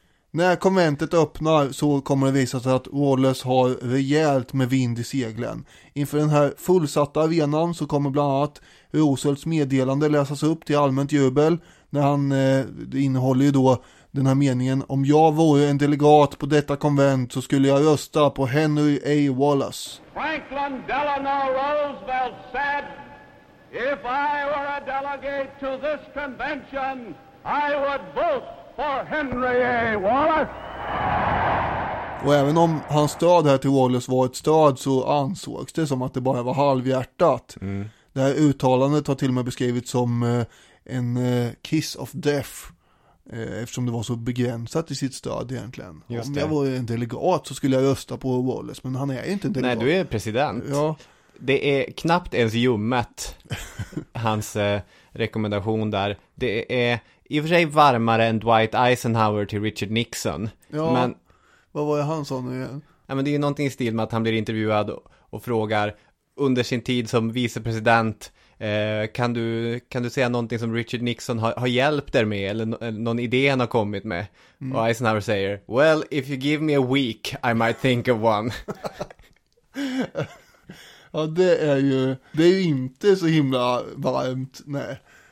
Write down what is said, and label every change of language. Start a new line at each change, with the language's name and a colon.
Swedish: När konventet öppnar så kommer det visa sig att Wallace har rejält med vind i seglen. Inför den här fullsatta arenan så kommer bland annat Roosevelts meddelande läsas upp till allmänt jubel. När han, det innehåller ju då den här meningen: om jag vore en delegat på detta konvent så skulle jag rösta på Henry A. Wallace.
English: Franklin Delano Roosevelt said, if I were a delegate to this convention, I would vote for Henry A. Wallace.
Swedish: Och även om hans stöd här till Wallace var ett stöd, så ansågs det som att det bara var halvhjärtat. Mm. Det här uttalandet har till och med beskrivits som en
English: kiss of death,
Swedish: eftersom det var så begränsat i sitt stöd egentligen. Just om det. Jag var en delegat så skulle jag rösta på Wallace, men han är ju inte en delegat. Nej, du är president. Ja. Det är knappt ens ljummet, hans rekommendation där. Det är i och för sig varmare än Dwight Eisenhower till Richard Nixon. Ja, men vad var det han sa nu igen? Ja, men det är ju någonting i stil med att han blir intervjuad och frågar under sin tid som vicepresident: Kan du säga någonting som Richard Nixon har hjälpt er med, eller någon idé han har kommit med? Mm. Och Eisenhower säger:
English: well, if you give me a week, I might think of one.
Swedish: Ja, det är ju inte så himla varmt. Nej.